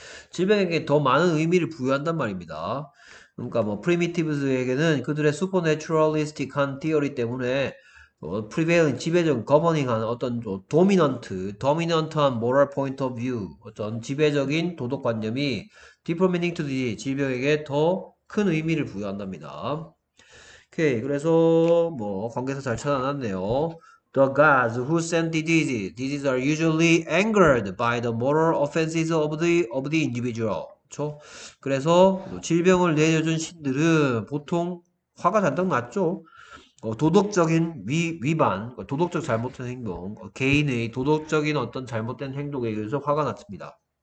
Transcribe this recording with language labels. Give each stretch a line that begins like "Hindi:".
Korean: 질병에게 더 많은 의미를 부여한단 말입니다. 그러니까 뭐 프리미티브스에게는 그들의 슈퍼내추럴리스틱한 디어리 때문에 프리베일은 지배적 거버닝한 어떤 도미넌트한
English: 모럴 포인트 오브 뷰,
Korean: 어떤 지배적인 도덕관념이
English: 디퍼 미닝 투 디지
Korean: 질병에게 더큰 의미를 부여한답니다. 오케이, 그래서 뭐 관계사 잘 찾아놨네요.
English: The gods who send the disease are usually angered by the moral offenses of the individual.
Korean: 그렇죠? 그래서 질병을 내려준 신들은 보통 화가 잔뜩 났죠. 도덕적인 위반, 도덕적 잘못된 행동, 개인의 도덕적인 어떤 잘못된 행동에 의해서 화가 났습니다.